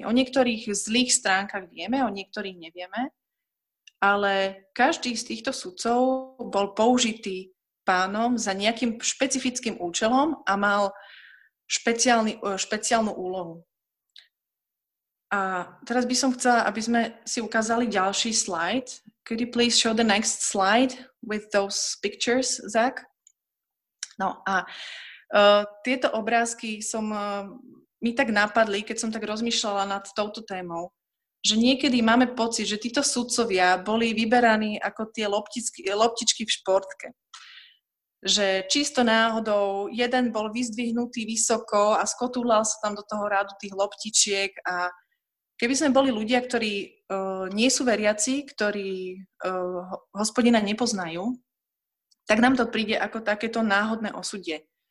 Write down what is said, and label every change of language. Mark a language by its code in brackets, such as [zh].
[sk] O niektorých zlých stránkach vieme, o niektorých nevieme, ale každý z týchto sudcov bol použitý Pánom za nejakým špecifickým účelom a mal špeciálnu úlohu. A teraz by som chcela, aby sme si ukázali ďalší slide. [en] Could you please show the next slide with those pictures, Zach? [sk] No a tieto obrázky som mi tak napadli, keď som tak rozmýšľala nad touto témou, že niekedy máme pocit, že títo sudcovia boli vyberaní ako tie loptičky v športke. Že čisto náhodou jeden bol vyzdvihnutý vysoko a skotúľal sa tam do toho rádu tých loptičiek a keby sme boli ľudia, ktorí nie sú veriaci, ktorí Hospodina nepoznajú, tak nám to príde ako takéto náhodné osudie.